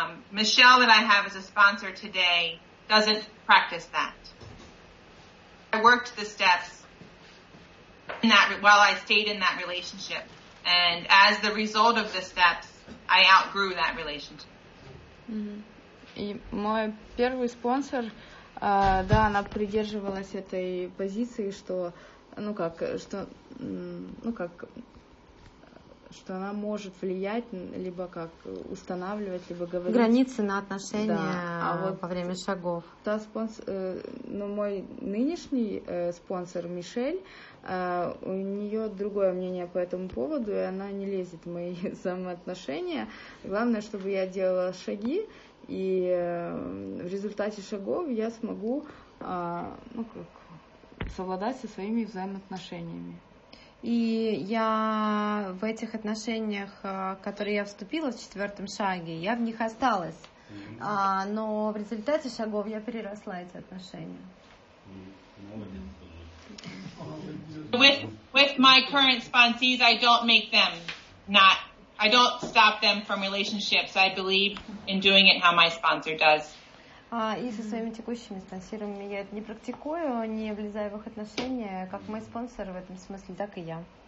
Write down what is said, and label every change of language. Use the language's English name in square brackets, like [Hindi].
[English] Michelle that I have as a sponsor today doesn't practice that. I worked the steps in that while I stayed in that relationship. And as the result of the steps, I outgrew that relationship. [Russian] И мой первый спонсор, да, она придерживалась этой позиции, что, ну как, что, ну как, что она может влиять, либо как устанавливать, либо говорить. Границы на отношения, да. А вот во время шагов. Та спонсор, ну мой нынешний спонсор Мишель, у нее другое мнение по этому поводу, и она не лезет в мои самоотношения. Главное, чтобы я делала шаги. И в результате шагов я смогу, ну, как, совладать со своими взаимоотношениями. И я в этих отношениях, которые я вступила в четвертом шаге, я в них осталась. Mm-hmm. Но в результате шагов я переросла эти отношения. Mm-hmm. [English] With my current sponsees, I don't make them not... I don't stop them from relationships. I believe in doing it how my sponsor does. [Russian] И со своими текущими спонсорами я это не практикую, не влезаю в их отношения, как мой спонсор в этом смысле, так и я.